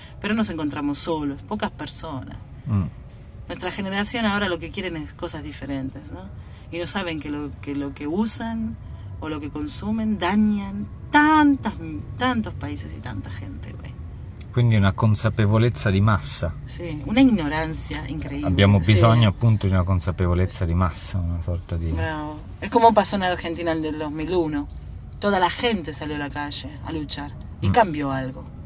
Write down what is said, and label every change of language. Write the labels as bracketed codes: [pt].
[es] Pero nos encontramos solos, pocas personas. Nuestra generación ahora lo que quieren es cosas diferentes, ¿no? Y no saben que lo que usan o lo que consumen dañan tantos países y tanta gente, güey. [it] Quindi una consapevolezza di massa. Sì, una ignoranza incredibile. Abbiamo bisogno appunto di una consapevolezza di massa, una sorta di... Bravo. È come passò in Argentina nel 2001. [es] Toda la gente salió a la calle a luchar y cambió algo.